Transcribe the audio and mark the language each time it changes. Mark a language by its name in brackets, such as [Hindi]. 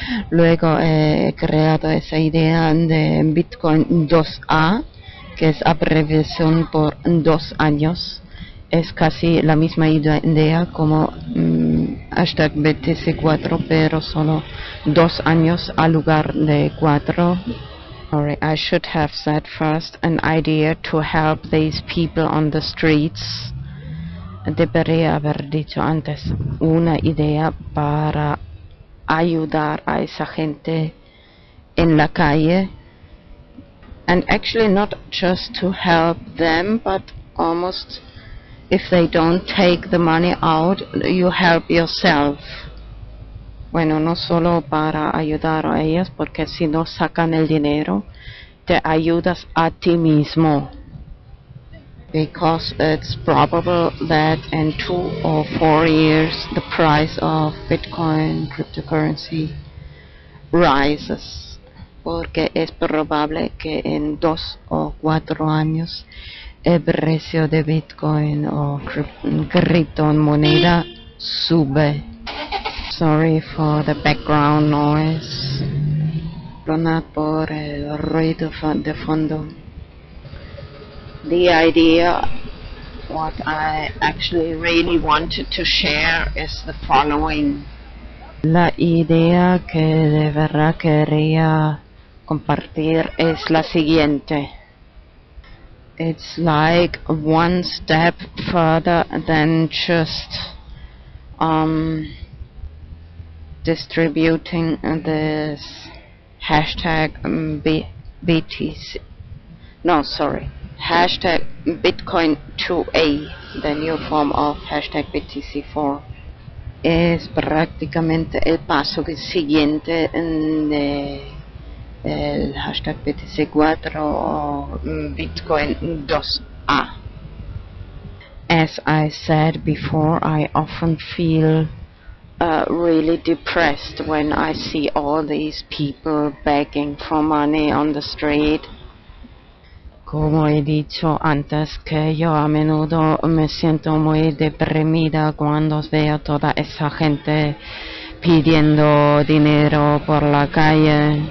[Spanish] Luego he creado esa idea de Bitcoin 2A, que es abreviación por 2 años. Es casi la misma idea como hashtag BTC4, pero solo 2 años al lugar de 4. [English] Sorry, I should have said first an idea to help these people on the streets. [Spanish] Debería haber dicho antes una idea para ayudar a esa gente en la calle. [English] And actually not just to help them, but almost if they don't take the money out, you help yourself. [Spanish] Bueno, no solo para ayudar a ellas, porque si no sacan el dinero, te ayudas a ti mismo. [English] Because it's probable that in 2 or 4 years the price of Bitcoin cryptocurrency rises. [Spanish] Porque es probable que en 2 o 4 años el precio de Bitcoin o criptomoneda sube. [English] Sorry for the background noise. [Spanish] Perdonad por el ruido de fondo. [English] The idea, what I actually really wanted to share, is the following. [Spanish] La idea que de verdad quería compartir es la siguiente. [English] It's like one step further than just distributing this hashtag BTC. No, sorry. Hashtag Bitcoin 2A, the new form of hashtag BTC4. [Spanish] Es prácticamente el paso siguiente de el hashtag BTC4 o Bitcoin 2A. [English] As I said before, I often feel really depressed when I see all these people begging for money on the street. [Spanish] Como he dicho antes, que yo a menudo me siento muy deprimida cuando veo toda esa gente pidiendo dinero por la calle.